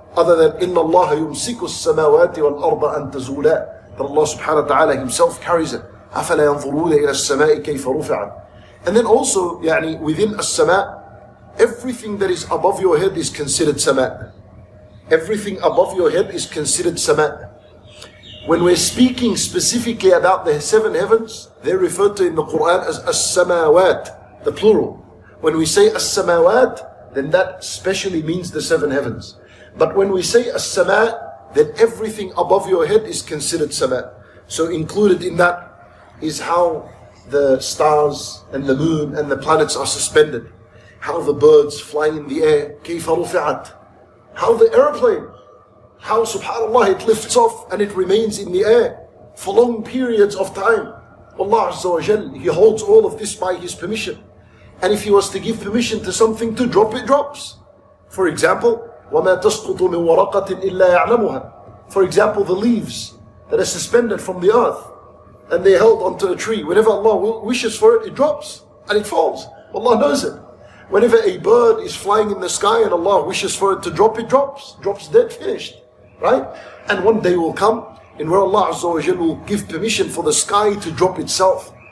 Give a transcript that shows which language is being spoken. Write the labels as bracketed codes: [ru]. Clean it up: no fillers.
[en] Other than [ar] إن الله يمسك السماوات والأرض أن تزولا. [en] That Allah subhanahu wa ta'ala Himself carries it. [ar] أَفَلَا يَنْظُرُونَ إِلَى السَّمَاءِ كَيْفَ رُفِعًا. [en] And then also, يعني, within السماء, everything that is above your head is considered سماء. Everything above your head is considered سماء. When we're speaking specifically about the seven heavens, they're referred to in the Quran as as-samawat, the plural. When we say as-samawat, then that specially means the seven heavens. But when we say as-sama, then everything above your head is considered sama. So included in that is how the stars and the moon and the planets are suspended, how the birds fly in the air, [ar] كَيْفَ رُفِعَتْ, [en] how the airplane, how subhanAllah it lifts off and it remains in the air for long periods of time. Allah Azza wa Jal, He holds all of this by His permission. And if He was to give permission to something to drop, it drops. For example, [ar] وَمَا تَسْقُطُ مِن وَرَقَةٍ إِلَّا يَعْلَمُهَا. [en] For example, the leaves that are suspended from the earth and they're held onto a tree. Whenever Allah wishes for it, it drops and it falls. Allah knows it. Whenever a bird is flying in the sky and Allah wishes for it to drop, it drops. Drops dead, finished. Right? And one day will come in where Allah Azza wa Jal will give permission for the sky to drop itself.